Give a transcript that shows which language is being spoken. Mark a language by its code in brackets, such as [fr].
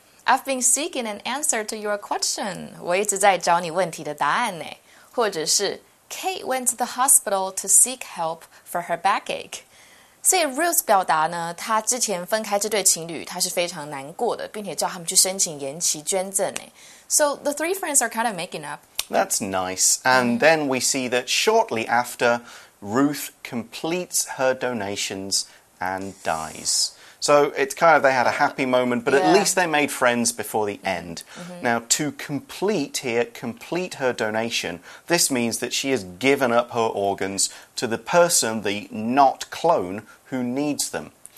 [en] I've been seeking an answer to your question. [zh] 我一直在找你问题的答案呢。或者是 [en] Kate went to the hospital to seek help for her backache. [zh] 所以 Ruth 表达呢，她之前分开这对情侣，她是非常难过的，并且叫他们去申请延期捐赠呢。 [en] So the three friends are kind of making up. That's nice. And then we see that shortly after,Ruth completes her donations and dies. So it's kind of they had a happy moment, but、yeah. at least they made friends before the end.、Mm-hmm. Now, to complete her donation, this means that she has given up her organs to the person, the not clone, who needs them.